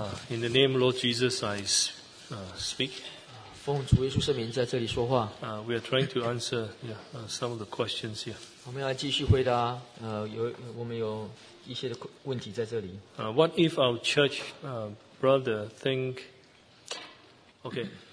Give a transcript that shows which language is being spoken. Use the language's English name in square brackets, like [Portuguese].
[English] In the name of Lord Jesus, I speak. [Chinese] 奉主耶稣圣名在这里说话。 [English] We are trying to answer some of the questions here. [Chinese] 我们要继续回答。我们有一些的问题在这里。 [English] What if our church brother think? Okay.